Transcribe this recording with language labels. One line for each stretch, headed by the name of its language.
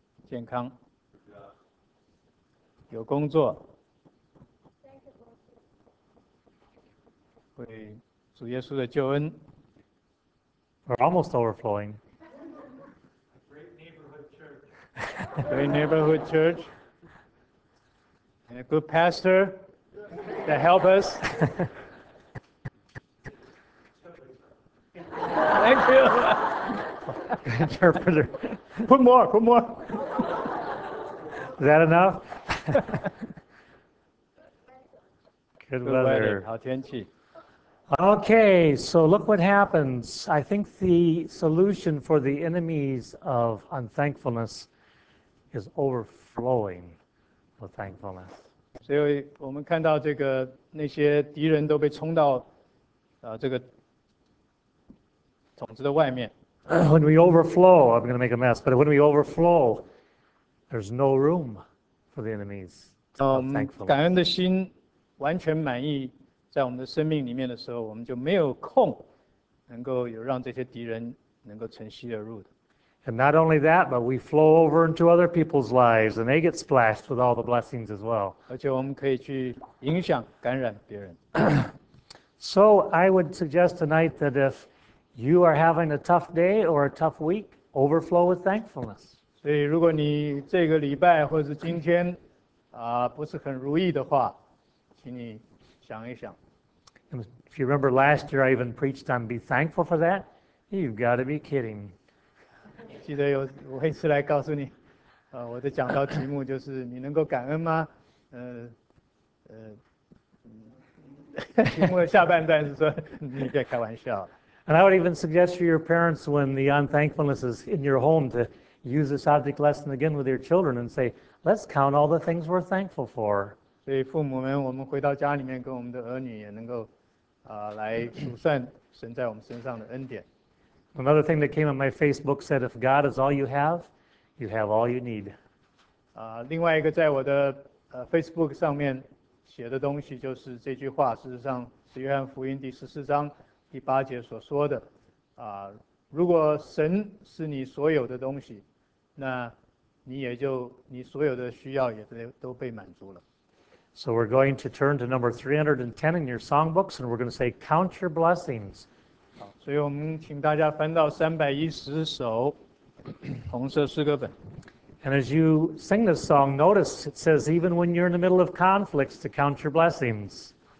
Chinese: 健康，有工作，为主耶稣的救恩。
English: We're almost overflowing. Great neighborhood church. And a good pastor that help us. Thank you. Interpreter. Put more. Is that enough? Good weather.
Chinese: 好天气。
English: Okay, so look what happens. I think the solution for the enemies of unthankfulness is overflowing with thankfulness.
Chinese: 所以我们看到这个那些敌人都被冲到这个桶子的外面。
English: When we overflow, I'm going to make a mess, but when we overflow, there's no room for the enemies. Thankfulness.
Chinese: 感恩的心完全满意在我们的生命里面的时候，我们就没有空能够有让这些敌人能够乘隙而入的。
English: And not only that, but we flow over into other people's lives, and they get splashed with all the blessings as well.
Chinese: 而且我们可以去影响、感染别人。
English: So I would suggest tonight that if you are having a tough day or a tough week, overflow with thankfulness.
Chinese: 所以如果你这个礼拜或者是今天不是很如意的话，请你想一想。
English: If you remember last year, I even preached on be thankful for that. You've got to be kidding.
Chinese: 记得有我一次来告诉你我的讲道题目就是你能够感恩吗？题目的下半段是说你在开玩笑。
English: And I would even suggest for your parents when the unthankfulness is in your home to use this object lesson again with your children and say, let's count all the things we're thankful for.
Chinese: 所以父母们，我们回到家里面跟我们的儿女也能够来数算神在我们身上的恩典。
English: Another thing that came on my Facebook said, if God is all you have, you have all you need.
Chinese: 另外一个在我的Facebook 上面写的东西就是这句话，事实上是约翰福音第十四章第八节所说的，如果神是你所有的东西，那你也就你所有的需要也都被满足了。
English: So we're going to turn to number 310 in your songbooks, and we're going to say, "Count your blessings."
Chinese: 好，所以我们请大家翻到310首红色诗歌本。
English: And as you sing this song, notice it says, even when you're in the middle of conflicts, to count your blessings.